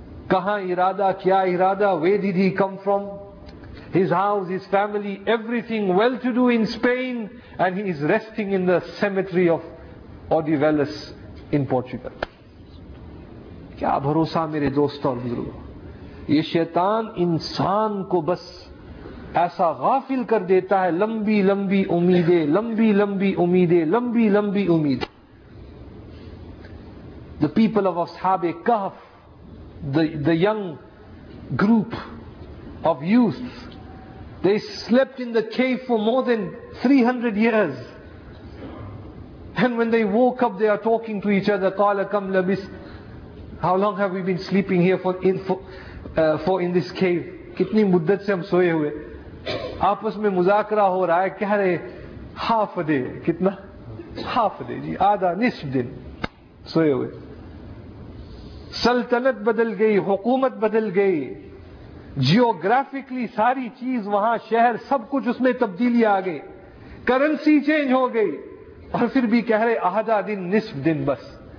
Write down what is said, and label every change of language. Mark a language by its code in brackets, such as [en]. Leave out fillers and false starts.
[ur] کہاں ارادہ, کیا ارادہ, [en] where did he come from, his house, his family, everything well to do in Spain, and he is resting in the cemetery of Odivelas in Portugal. [ur] کیا بھروسہ میرے دوست اور بزرگوں, یہ شیطان انسان کو بس ایسا غافل کر دیتا ہے, لمبی لمبی امیدیں, لمبی لمبی امیدیں, لمبی لمبی امید. [en] The people of Ashab Kahf, the young group of youth, they slept in the cave for more than 300 years. And when they woke up, they are talking to each other, [ar] قَالَ كَمْ لَبِسْتْ, [en] how long have we been sleeping here in this cave? [ur] کتنی مدت سے ہم سوئے ہوئے, آپس میں مذاکرہ ہو رہا ہے, کہہ رہے [en] half a day, [ur] کتنا half a day, جی آدھا نصف دن سوئے ہوئے. سلطنت بدل گئی, حکومت بدل گئی, جیوگرافکلی ساری چیز وہاں, شہر سب کچھ اس میں تبدیلی آ گئی, کرنسی چینج ہو گئی, اور پھر بھی کہہ رہے آدھا دن نصف دن بس.